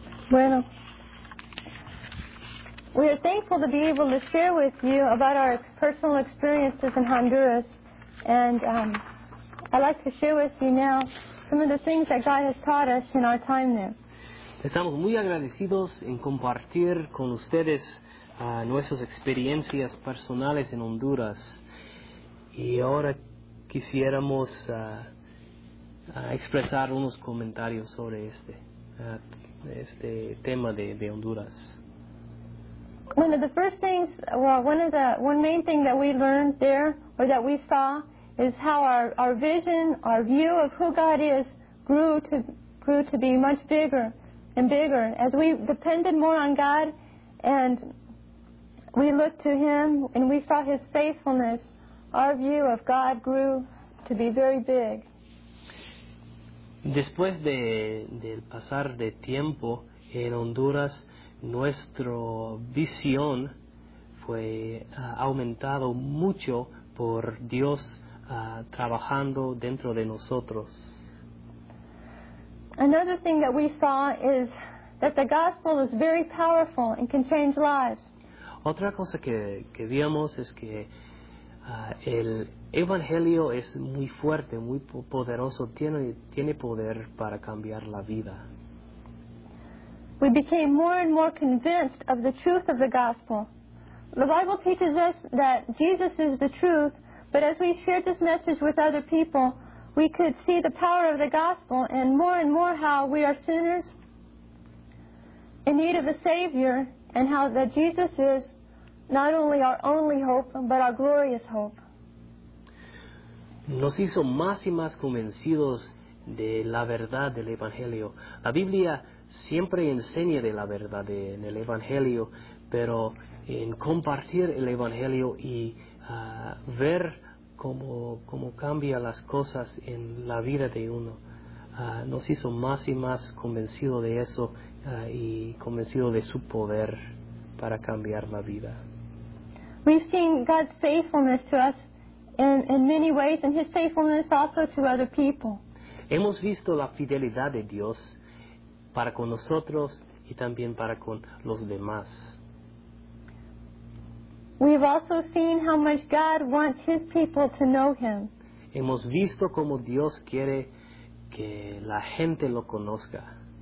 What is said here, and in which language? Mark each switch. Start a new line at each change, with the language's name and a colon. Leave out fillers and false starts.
English: Bueno, we are thankful to be able to share with you about our personal experiences in Honduras, and I'd like to share with you now some of the things that God has taught us in our time there.
Spanish: Estamos muy agradecidos en compartir con ustedes nuestras experiencias personales en Honduras. Y ahora quisiéramos expresar unos comentarios sobre este tema de Honduras.
English: One of the first things, well, one main thing that we learned there, or that we saw, is how our vision, our view of who God is, grew to be much bigger and bigger as we depended more on God, and we looked to Him and we saw His faithfulness. Our view of God grew to be very big.
Spanish: Después de pasar de tiempo en Honduras, nuestra visión fue aumentado mucho por Dios trabajando dentro de nosotros.
English: Another thing that we saw is that the gospel is very powerful and can change lives.
Spanish: Otra cosa que vimos es que el evangelio es muy fuerte, muy poderoso, tiene poder para cambiar la vida.
English: We became more and more convinced of the truth of the gospel. The Bible teaches us that Jesus is the truth, but as we shared this message with other people, we could see the power of the gospel and more how we are sinners in need of a Savior, and how that Jesus is not only our only hope, but our glorious hope.
Spanish: Nos hizo más y más convencidos de la verdad del Evangelio. La Biblia siempre enseña de la verdad en el Evangelio, pero en compartir el Evangelio y ver cómo cambia las cosas en la vida de uno, nos hizo más y más convencido de eso y convencido de su poder para cambiar la vida.
English: We've seen God's faithfulness to us in many ways, and His faithfulness also to other people.
Spanish: Hemos visto la fidelidad de Dios para con nosotros y también para con los demás.
English: We've also seen how much God wants His people to know Him.
Spanish: Hemos visto cómo Dios quiere que la gente lo conozca.